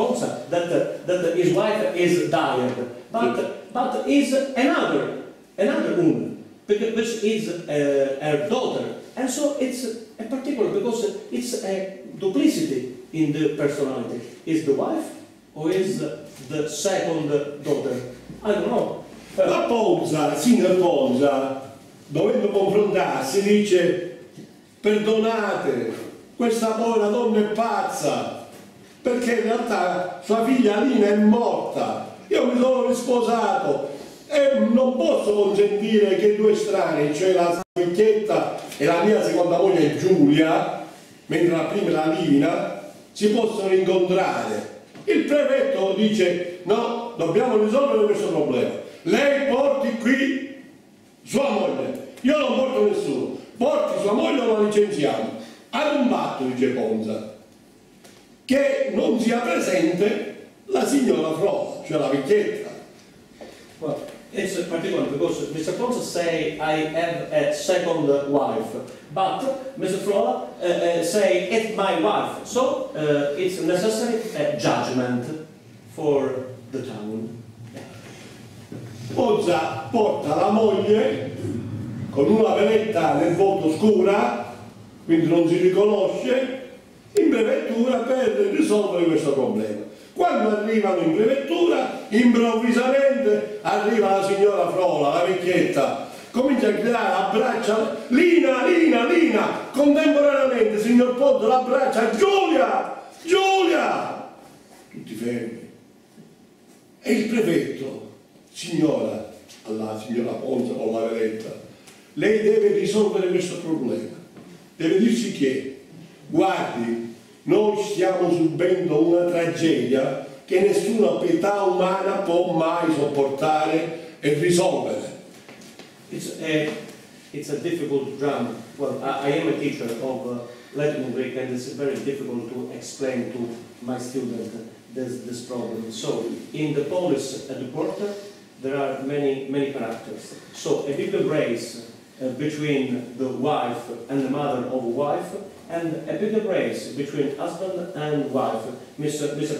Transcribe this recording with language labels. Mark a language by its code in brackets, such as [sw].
[en] Ponza that his wife is dying, but is another woman, which is her daughter, and so it's a particular, because it's a duplicity in the personality. Is the wife or is the second daughter? [it] La Ponza, il signor Ponza, dovendo confrontarsi, dice: perdonate, questa povera donna è pazza, perché in realtà sua figlia Lina è morta, io mi sono risposato e non posso consentire che due strani, cioè la vecchietta e la mia seconda moglie Giulia, mentre la prima è la Lina, si possano incontrare. Il prefetto dice: no, dobbiamo risolvere questo problema. Lei porti qui sua moglie. Io non porto nessuno. Porti sua moglie o la licenziamo. Ad un patto, dice Ponza, che non sia presente la signora Flo, cioè la vecchietta. [en] Well, it's particular because Mr. Ponza say I have a second wife, but Mr. Flo say it's my wife. So it's necessary a judgment for the town. [it] Ponza porta la moglie con una veletta nel volto scura, quindi non si riconosce, in prefettura per risolvere questo problema. Quando arrivano in prefettura, improvvisamente arriva la signora Frola, la vecchietta, comincia a gridare, abbraccia Lina, Lina, Lina, contemporaneamente signor Poddo l'abbraccia, Giulia, Giulia, tutti fermi, e il prefetto, signora, alla signora Ponza con la veletta, lei deve risolvere questo problema, deve dirsi che, guardi, noi stiamo subendo una tragedia che nessuna pietà umana può mai sopportare e risolvere. [en] It's a difficult drama. Well, I am a teacher of Latin Greek, and it's very difficult to explain to my student this problem. So, in the polis at the quarter, there are many characters. So, a big embrace between the wife and the mother of a wife, and a big embrace between husband and wife, Mr.